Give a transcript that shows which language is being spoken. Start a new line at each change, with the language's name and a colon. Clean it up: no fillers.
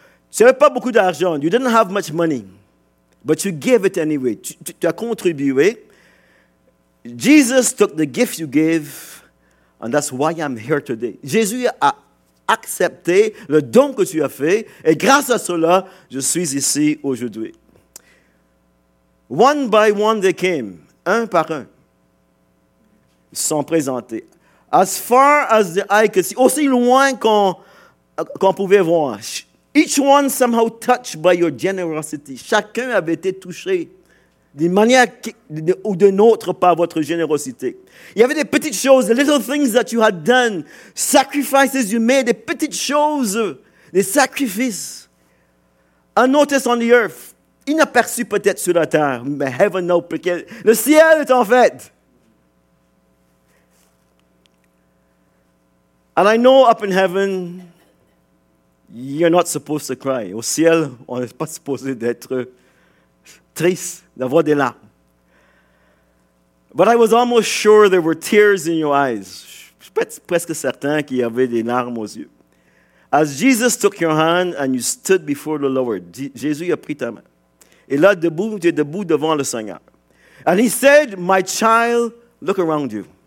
French: Tu n'avais pas beaucoup d'argent,
English: you didn't have much money, but you gave it anyway,
French: tu as contribué.
English: Jesus took the gift you gave, and that's why I'm here today.
French: Jésus a accepté le don que tu as fait, et grâce à cela, je suis ici aujourd'hui.
English: One by one they came,
French: un par un, ils se sont présentés.
English: As far as the eye could see,
French: aussi loin qu'on pouvait voir.
English: Each one somehow touched by your generosity.
French: Chacun avait été touché d'une manière ou d'une autre par votre générosité. Il y avait des petites choses,
English: the little things that you had done, sacrifices you made,
French: des petites choses, des sacrifices.
English: Unnoticed on the earth,
French: inaperçu peut-être sur la terre, mais
English: heaven knows,
French: parce que le ciel est en fait.
English: And I know up in heaven, you're not supposed to cry.
French: Au ciel, on n'est pas supposé d'être triste, d'avoir des larmes.
English: But I was almost sure there were tears in your eyes.
French: Je suis presque certain qu'il y avait des larmes aux yeux.
English: As Jesus took your hand and you stood before the Lord.
French: Jésus a pris ta main. Et là, debout, tu es debout devant le Seigneur.
English: And he said, my child, look around you.